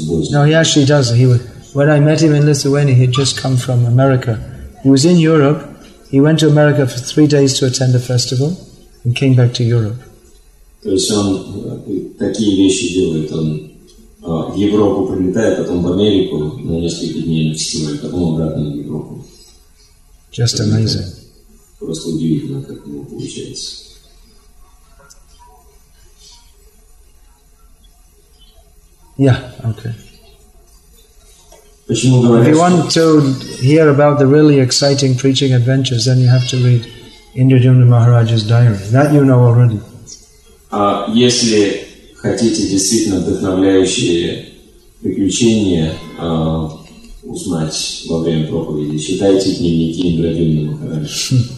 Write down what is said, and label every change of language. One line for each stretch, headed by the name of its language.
English: No, he actually does. When I met him in Lithuania, he had just come from America. He was in Europe. He went to America for 3 days to attend a festival and came back to Europe.
Russian: То есть он такие вещи делает. Он в Европу прилетает, потом в Америку на несколько дней на фестиваль, потом обратно в Европу.
English: Just amazing.
Russian: Просто удивительно, как у него получается.
English: Yeah, okay.
Russian: Почему говорят,
English: if you want to hear about the really exciting preaching adventures, then you have to read Indrajumna Maharaj's diary. That you know already.
Russian: Если хотите действительно вдохновляющие приключения узнать во время проповеди, читайте дневники Индрадюмны Махараджа.